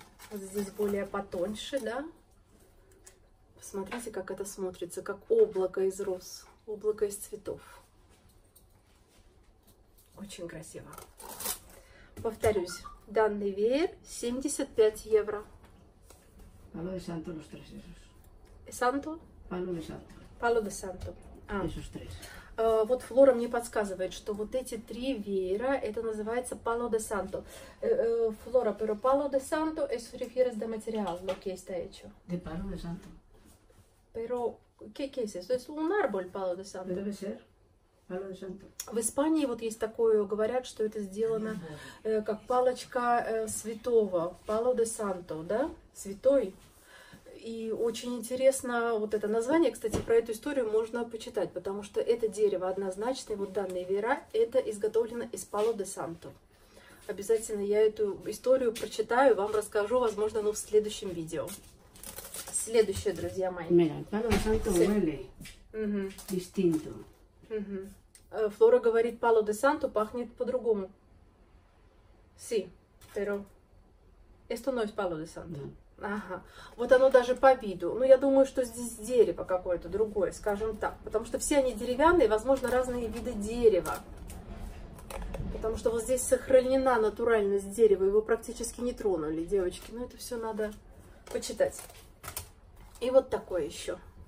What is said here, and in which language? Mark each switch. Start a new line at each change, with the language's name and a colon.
Russian: Вот здесь более потоньше, да? Посмотрите, как это смотрится, как облако из роз, облако из цветов. Очень красиво. Повторюсь, данный веер 75 евро.
Spanish: Palo de Santo, los tres esos. Santo? Palo de Santo. Palo de Santo. А. Esos tres.
Russian: Вот Флора мне подсказывает, что вот эти три веера, это называется Palo de Santo.
Spanish: Флора, pero Palo de Santo es refieres de material, lo que está hecho. De Palo de Santo. Pero, ¿qué es eso? Es un árbol Palo de Santo. Debe ser. Palo de Santo.
Russian: В Испании вот есть такое, говорят, что это сделано как палочка святого. Palo de Santo, да? Святой. И очень интересно вот это название, кстати, про эту историю можно почитать, потому что это дерево однозначно, и вот данные веера, это изготовлено из Palo de Santo. Обязательно я эту историю прочитаю, вам расскажу, возможно, в следующем видео. Следующее, друзья мои.
Spanish: Mira, Palo de Santo huele distinto.
Russian: Флора говорит, Palo de Santo пахнет по-другому.
Spanish: Sí, pero esto no es Palo de Santo.
Russian: Ага, вот оно даже по виду. Ну, я думаю, что здесь дерево какое-то другое, скажем так. Потому что все они деревянные, возможно, разные виды дерева. Потому что вот здесь сохранена натуральность дерева, его практически не тронули, девочки. Ну, это все надо почитать. И вот такое еще.